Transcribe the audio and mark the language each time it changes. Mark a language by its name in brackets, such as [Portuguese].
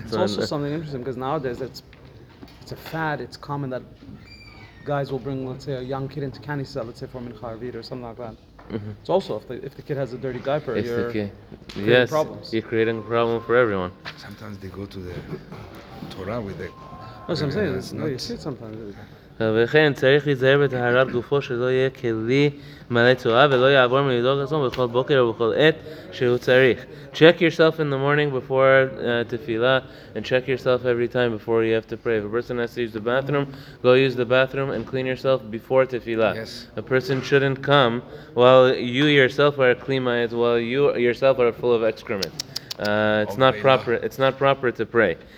[English] Yeah, it's also something interesting, because nowadays, it's a fad, it's common that guys will bring, let's say, a young kid into Kanisa, let's say, for Mincha Arvit or something like that. Mm-hmm. It's also, if the kid has a dirty diaper, it's you're okay. Creating yes, problems. You're creating a problem for everyone. Sometimes they go to the Torah with it. That's what I'm saying. No, you see it sometimes. [Hebrew] וכן צריך להיזהר בטהרת גופו שלא יהיה כלי מלא צורה ולא יעבור מלדאוג עצמו בכל בוקר ובכל עת שהוא צריך. [English] Check yourself in the morning before tefillah and check yourself every time before you have to pray. If a person has to use the bathroom, go use the bathroom and clean yourself before tefillah. Yes. A person shouldn't come while you yourself are clean minded, while you yourself are full of excrement. It's not proper to pray.